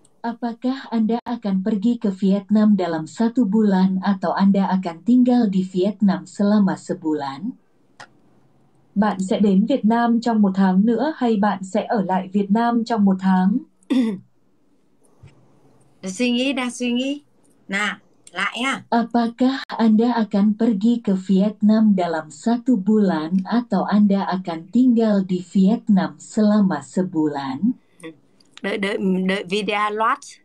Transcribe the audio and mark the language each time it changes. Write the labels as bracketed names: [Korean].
[Indonesian] apakah Anda akan pergi ke Vietnam dalam satu bulan atau Anda akan tinggal di Vietnam selama sebulan? [Vietnamese] Bạn sẽ đến Việt Nam trong một tháng nữa hay bạn sẽ ở lại Việt Nam trong một tháng? Đang suy nghĩ. Nào. Lại ha. [Indonesian] Apakah Anda akan pergi ke Vietnam dalam satu bulan atau Anda akan tinggal di Vietnam selama sebulan? [Vietnamese] Đợi video load.